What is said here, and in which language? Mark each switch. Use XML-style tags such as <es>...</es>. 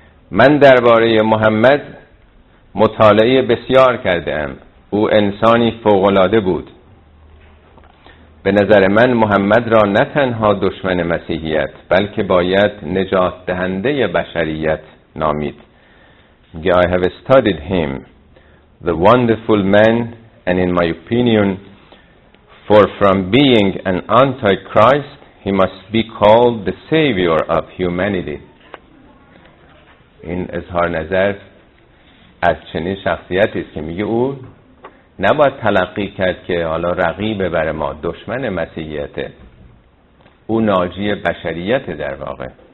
<fa>من درباره محمد مطالعه بسیار کردم. او انسانی فوق‌العاده بود. به نظر من محمد را نه تنها دشمن مسیحیت بلکه باید نجات دهنده بشریت نامید.</fa> <en>I have studied him, the wonderful man, and in my opinion, for from being an antichrist, he must be called the savior of humanity.</en> <fa>این اظهار نظر از چنین شخصیتی است که میگه او نباید تلقی کرد که حالا رقیب بر ما، دشمن مسیحیت، او ناجی بشریت در واقع.</fa>